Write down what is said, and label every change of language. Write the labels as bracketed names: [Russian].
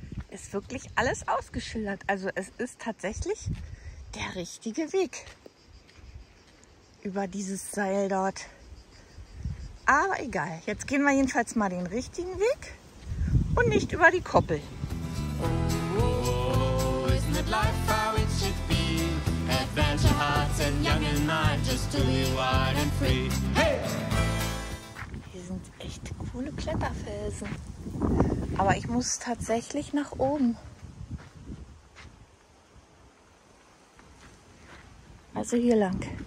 [German] Ist wirklich alles ausgeschildert. Also es ist tatsächlich der richtige Weg. Über dieses Seil dort. Aber egal, jetzt gehen wir jedenfalls mal den richtigen Weg und nicht über die Koppel. [English] Oh, oh, isn't it life how it should be? Adventure hearts and young and mine just to be wild and free. Hey! [German] Hier sind echt coole Kletterfelsen. Aber ich muss tatsächlich nach oben. Also hier lang.